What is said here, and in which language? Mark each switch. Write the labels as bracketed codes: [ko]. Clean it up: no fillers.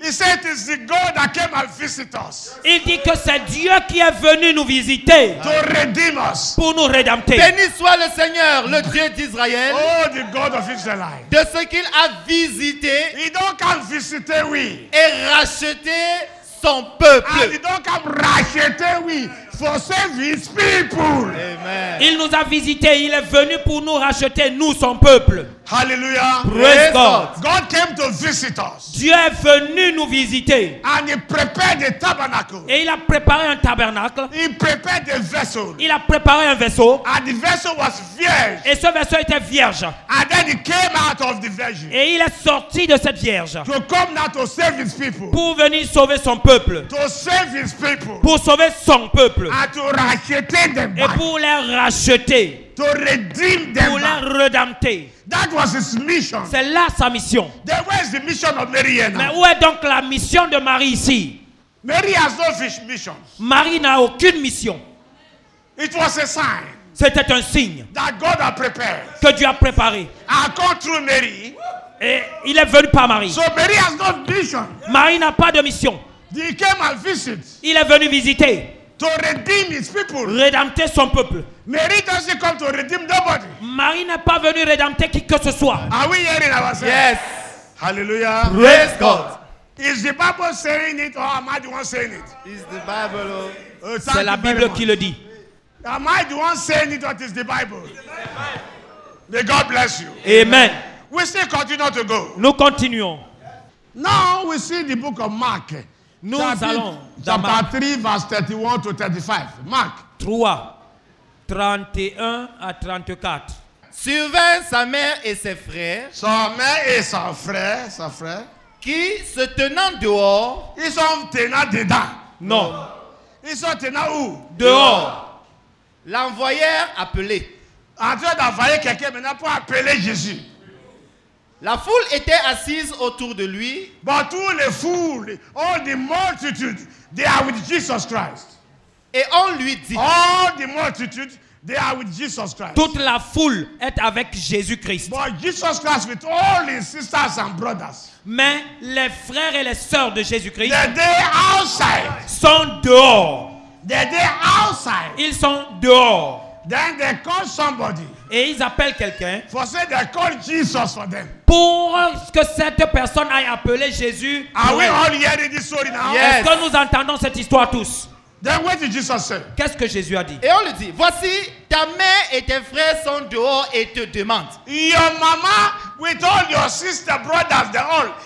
[en] He said it is the God that came and visit us. [fr] Il dit que c'est Dieu qui est venu nous visiter. [en] To redeem us. [fr] Pour nous rédempter. Béni soit le Seigneur, le Dieu d'Israël. [en] Oh, the God of Israel. [fr] De ce qu'il a visité. [en] He don't come visiter, oui. [fr] Et racheté son peuple. [en] And he don't come racheter, oui. For save his people. Amen. [fr] Il nous a visités, il est venu pour nous racheter, nous, son peuple. [en] Hallelujah. Praise God. God came to visit us. [fr] Dieu est venu nous visiter. [en] And he prepared a tabernacle. [fr] Et il a préparé un tabernacle. [en] He prepared a vessel. [fr] Il a préparé un vaisseau. [en] And the vessel was vierge. [fr] Et ce vaisseau était vierge. [en] And then he came out of the virgin. [fr] Et il est sorti de cette vierge. [en] To come now to save his people. [fr] Pour venir sauver son peuple. [en] To save his people. [fr] Pour sauver son peuple. [en] And to racheter them back. [fr] Et pour les racheter. [en] To redeem them. [fr] Pour les redempter. [en] That was his mission. [fr] C'est là sa mission. [en] Then where is the mission of Mary here now? [fr] Mais où est donc la mission de Marie ici? [en] Mary has no fish mission. [fr] Marie n'a aucune mission. [en] It was a sign. [fr] C'était un signe. [en] That God had prepared. [fr] Que Dieu a préparé. [en] I come through Mary. [fr] Et il est venu par Marie. [en] So Mary has no mission. [fr] Marie n'a pas de mission. [en] He came and visit. [fr] Il est venu visiter. [en] To redeem his people. [fr] Redempter son peuple. [en] Mary doesn't come to redeem nobody. [fr] Marie n'est pas venue redempter qui que ce soit. [en] Are we hearing ourselves? Yes. Hallelujah. Praise God. Is the Bible saying it or am I the one saying it? It's the Bible. [fr] Oh, c'est la Bible qui le dit. [en] Am I the one saying it or is the Bible? May God bless you. Amen. We still continue to go. [fr] Nous continuons. [en] Now we see the book of Mark. [fr] Nous David, allons dans chapitre 3, verse 31 to 35. Marc 3, 31 à 34. Survint sa mère et ses frères. Sa mère et son frère. Qui se tenant dehors. Ils sont tenant dedans. Non. Ils sont tenant où? Dehors. L'envoyèrent appeler. En train d'envoyer quelqu'un maintenant pour appeler Jésus. La foule était assise autour de lui. [en] But all the fool, all the multitude, they are with Jesus Christ. [fr] Et on lui dit. [en] All the multitude, they are with Jesus Christ. [fr] Toute la foule est avec Jésus Christ. [en] But Jesus Christ with all his sisters and brothers. [fr] Mais les frères et les sœurs de Jésus Christ. [en] They're outside. [fr] Sont dehors. [en] They're outside. [fr] Ils sont dehors. [en] Then they call somebody. [fr] Et ils appellent quelqu'un. [en] For say they call Jesus for them. [fr] Pour que cette personne aille appeler Jésus. [en] Are we all hearing this story now? Yes. [fr] Est-ce que nous entendons cette histoire tous? [en] Then what did Jesus say? [fr] Qu'est-ce que Jésus a dit? Et on lui dit, voici ta mère et tes frères sont dehors et te demandent. [en] Your mama with all your sisters, brothers, they're all.